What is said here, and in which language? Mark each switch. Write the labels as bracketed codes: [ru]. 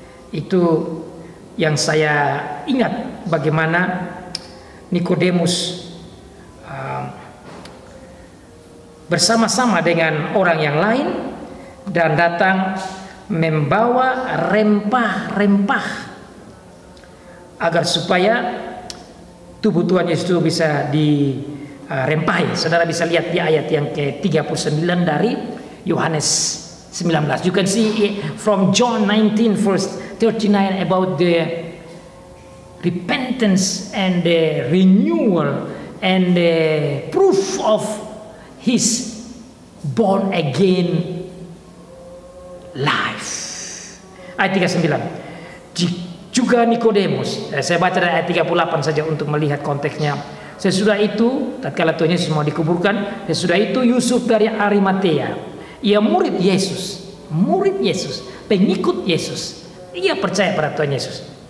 [id] Itu yang saya ingat, bagaimana Nikodemus bersama-sama dengan orang yang lain dan datang membawa rempah-rempah agar supaya tubuh Tuhan Yesus itu bisa dirempahi. Saudara bisa lihat di ayat yang ke-39 dari Yohanes 19. [en] You can see from John 19 verse 39 about the repentance and the renewal and the proof of his born again life. [id] Ayat 39. Juga Nikodemus, saya baca dari ayat 38 saja untuk melihat konteksnya. Sesudah itu, tatkala Tuhan Yesus mau dikuburkan, sesudah itu Yusuf dari Arimatea, ia murid Yesus, pengikut Yesus, ia percaya pada Tuhan Yesus.